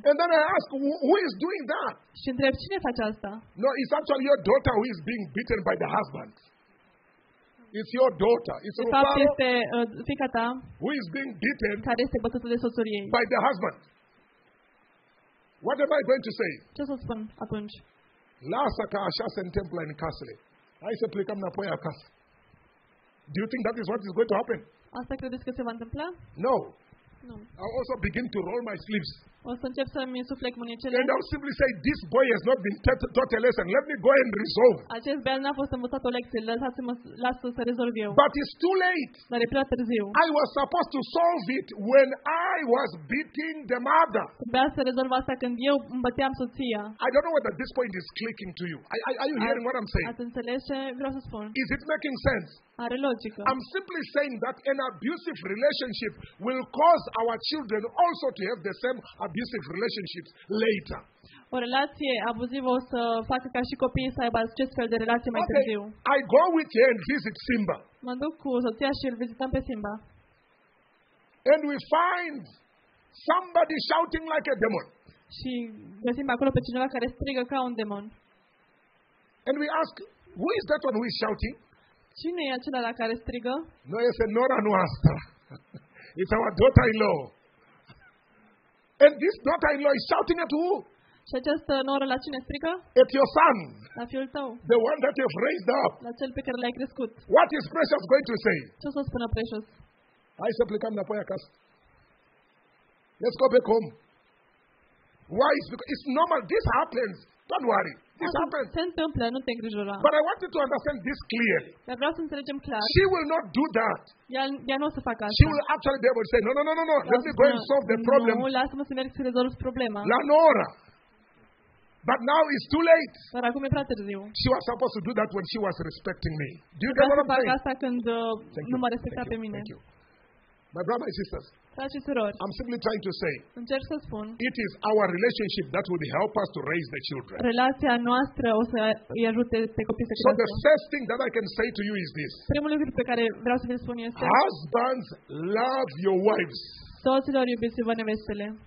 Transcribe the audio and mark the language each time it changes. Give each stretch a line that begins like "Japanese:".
English: And then I ask, who is doing that?
Romanian: Și întreb, cine face asta?
English: No, it's actually your daughter who is being beaten by the husband. It's your daughter. It's
Romanian: de fapt, este fiica ta.
English: Who is being beaten?
Romanian: Care este bătută de soțul ei.
English: By the husband. What am I going to say?
Romanian: Ce să spun atunci? Lasă că așa se întâmplă în casele. Hai să plecăm înapoi acasă.
English: Do you think that is what is going to happen?
Romanian: Asta credeți că se va întâmpla?
English: No. No. I also begin to roll my sleeves.
Romanian: O să încep să mi suflec mânecele.
English: And I simply say, this boy has not been taught a lesson. Let me go and resolve.
Romanian: Acest băiat n-a fost învățat o lecție. Lăsați-mă, lasă să rezolv eu.
English: But it's too late.
Romanian: Dar e prea târziu.
English: I was supposed to solve it when I was beating the mother.
Romanian: Trebuia să rezolv asta când eu îmi băteam soția.
English: I don't know whether this point is clicking to you. Are you hearing what I'm saying?
Romanian: Ați înțeles ce vreau să spun?
English: Is it making sense?
Romanian: Are logică.
English: I'm simply saying that an abusive relationship will cause our children also to have the same abusive relationships later.
Romanian: O relație abuzivă o să facă ca și copiii să aibă acest fel de relație mai târziu.
English: I go with her and visit Simba.
Romanian: Mă duc cu soția și îl vizităm pe Simba.
English: And we find somebody shouting like a demon.
Romanian: Și găsim acolo pe cineva care strigă ca un demon.
English: And we ask, who is that one who is shouting?
Romanian: Cine e acela la care strigă? No, este nora noastră.
English: It's our daughter-in-law. And this daughter-in-law is shouting at who?
Romanian: Și această noră la cine strigă?
English: At your son.
Romanian: La fiul tău.
English: The one that you've raised up.
Romanian: La cel pe care l-ai crescut.
English: What is Precious going to say?
Romanian: Ce o să spună Precious? Hai să plecăm înapoi acasă.
English: Let's go back home. Why? It's normal. This happens. Don't worry. This happens.
Romanian: Se întâmplă, nu te îngrijora.
English: But I want you to understand this clearly.
Romanian: Dar vreau să înțelegem clar.
English: She will not do that.
Romanian: Ea nu o să facă asta.
English: She will actually be able to say, no. Let me go and solve the problem.
Romanian: Nu, lasă-mă să merg să rezolv problema. La Nora.
English: But now it's too late.
Romanian: Dar acum e prea târziu.
English: She was supposed to do that when she was respecting me. Do you get what I'm saying?
Romanian: Asta când nu m-a respectat pe mine.
English: Thank you. My brother and sisters. I'm simply trying to say,
Romanian: încerc să spun,
English: it is our relationship that will help us to raise the children.
Romanian: Relația noastră o să îi ajute pe copii să crească.
English: So the first thing that I can say to you is this.
Romanian: Primul lucru pe care vreau să vi-l spun este,
English: husbands, love your wives.
Romanian: Soților, iubiți-vă nevestele.